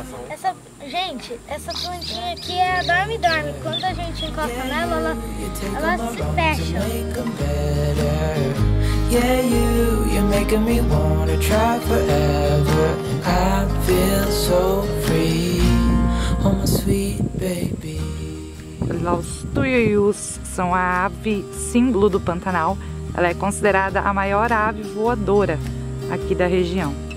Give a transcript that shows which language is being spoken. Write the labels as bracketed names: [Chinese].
[Portuguese] Essa, gente, essa plantinha aqui é a dorme-dorme. Quando a gente encosta nela, ela se fecha. [English] Yeah, you're making me wanna try forever. I feel so free, oh my sweet baby. [Portuguese] Olha lá os tuiuiús, que são a ave símbolo do Pantanal. Ela é considerada a maior ave voadora aqui da região.